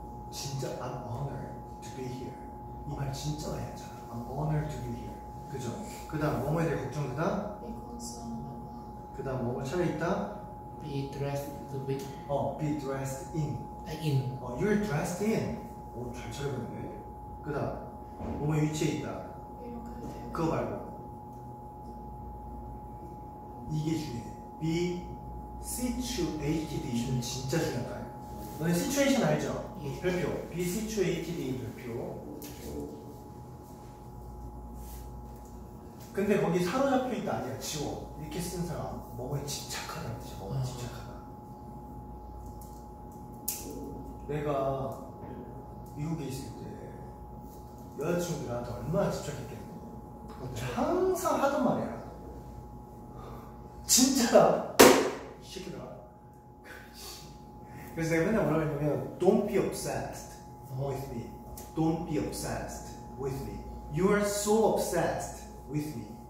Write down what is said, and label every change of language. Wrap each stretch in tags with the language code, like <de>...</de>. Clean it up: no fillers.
<en>진짜 I'm honored to be here.</en> <ko>이 말 진짜 많이 했잖아.</ko> <en>I'm honored to be here.</en> <ko>그죠? 그 다음 뭐뭐에 대해 걱정. 그 다음?</ko> <en>Be concerned.</en> <ko>그 다음 뭐뭐 차려있다?</ko> <en>Be dressed with. 어, be dressed in. In.</en> <ko>어,</ko> <en>you're dressed in.</en> <ko>오, 잘 차려봤네. 그 다음 뭐뭐 위치에 있다. 그거 말고. 이게 중요해.</ko> <en>Be situated in.</en> <ko>진짜 중요한 거야. 너네 situation 알죠? 예. 별표.</ko> <en>Be situated in 별표.</en> <ko>근데 거기 사로잡혀 있다 아니야. 지워. 이렇게 쓴 사람. 뭐에 집착하다. 뭐에 집착하다. 내가 미국에 있을 때 여자친구들 나한테 얼마나 집착했겠어. 항상 하던 말이야. 진짜다! 시키더라. 그래서 내가 맨날 뭐라고 했냐면</ko> <en>Don't be obsessed with me. Don't be obsessed with me. You are so obsessed with me.</en>